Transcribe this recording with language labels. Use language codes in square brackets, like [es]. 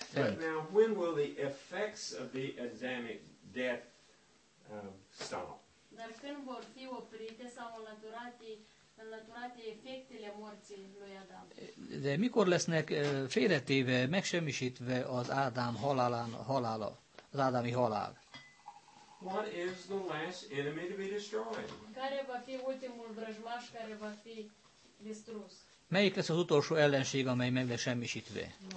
[en] But now, when will the effects of the Adamic death stop? [ro] Dar când vor fi oprite sau înlăturate efectele morții lui Adam? [hu] De mikor lesznek félretéve, megsemmisítve az Ádám halála, az ádámi halál? [en] What is the last enemy to be destroyed? [ro] Care va fi ultimul vrăjmaș care va fi distrus? [hu] Melyik lesz az utolsó ellenség, amely meg lesz semmisítve?